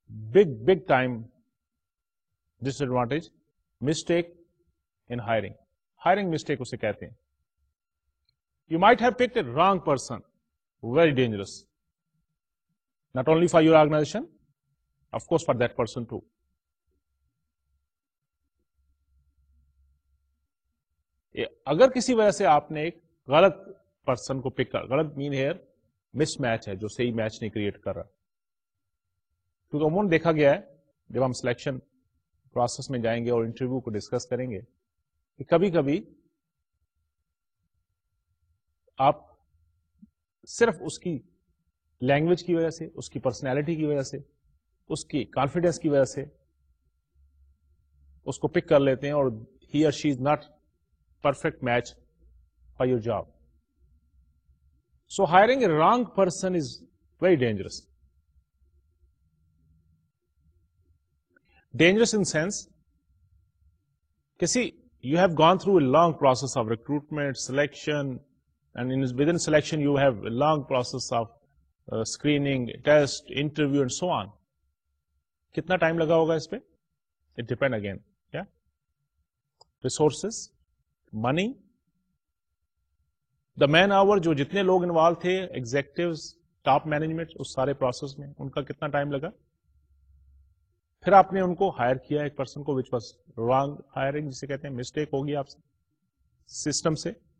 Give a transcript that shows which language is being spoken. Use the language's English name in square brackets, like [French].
[English] Big time disadvantage, mistake in hiring. Hiring mistake usse kehte hain. You might have picked a wrong person. Very dangerous. Not only for your organization, of course for that person too. [Urdu] اگر کسی وجہ سے آپ نے ایک غلط person کو پک کر غلط مین ہیئر مس میچ ہے جو صحیح میچ نہیں کریٹ کر رہا کیونکہ عموماً دیکھا گیا ہے جب ہم سلیکشن پروسیس میں جائیں گے اور انٹرویو کو ڈسکس کریں گے کہ کبھی کبھی آپ صرف اس کی لینگویج کی وجہ سے اس کی پرسنالٹی کی وجہ سے اس کی کانفیڈینس کی وجہ سے اس کو پک کر لیتے ہیں اور ہی اور شی is not perfect match for your job. [English] So hiring a wrong person is very dangerous. Dangerous in sense, you see, you have gone through a long process of recruitment, selection, and within selection you have a long process of screening, test, interview, and so on. [Urdu] Kitna time laga hoga ispe? It depends again. Yeah? Resources, money, the man hour جو جتنے لوگ involve تھے executives, top management اس سارے process میں ان کا کتنا time لگا پھر آپ نے ان کو ہائر کیا ایک پرسن کو وچ واز رانگ ہائرنگ جسے کہتے ہیں مسٹیک ہوگی آپ سے سسٹم سے